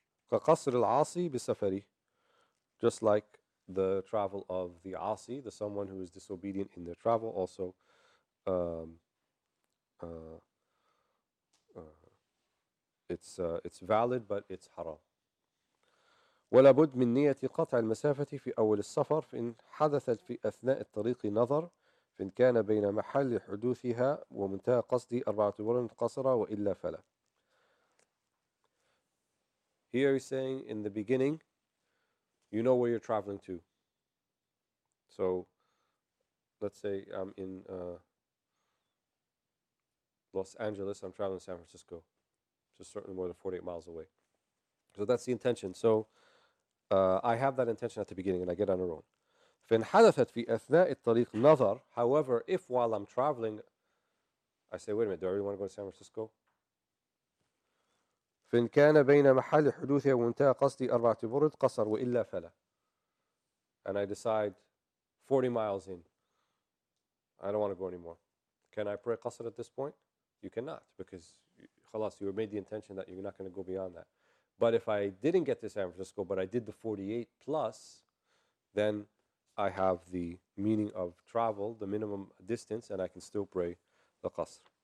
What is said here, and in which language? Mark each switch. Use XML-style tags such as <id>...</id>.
<ar>كَقَصْرِ الْعَاصِي بِسَفَرِي.</ar> <en>Just like the travel of the Asi, the someone who is disobedient in their travel, also it's valid, but it's haram.</en> <ar>وَلَابُدْ مِنْ نِيَّةِ قَطْعِ الْمَسَافَةِ فِي أَوَّلِ السَّفَرِ فِإِنْ حَدَثَتْ فِي أَثْنَاءِ الطَّرِيقِ نَظَرٍ فإن كان بين محل حدوثها ومنتهى قصدي أربعة أبواب قصرة وإلا فلا.</ar> <en>Here he's saying in the beginning, you know where you're traveling to. So, let's say I'm in Los Angeles. I'm traveling to San Francisco, which is certainly more than 48 miles away. So that's the intention. So, I have that intention at the beginning, and I get on a road.</en> <ar>فإن حدثت في أثناء الطريق نظر.</ar> <en>However, if while I'm traveling, I say, wait a minute, do I really want to go to San Francisco?</en> <ar>فإن كان بين محل حدوثي ومنتهى قصدي أربعة برد قصر وإلا فلا.</ar> <en>And I decide, 40 miles in, I don't want to go anymore. Can I pray قصر at this point? You cannot, because خلاص, you made the intention that you're not going to go beyond that. But if I didn't get to San Francisco, but I did the 48 plus, then I have the meaning of travel, the minimum distance, and I can still pray the qasr.</en>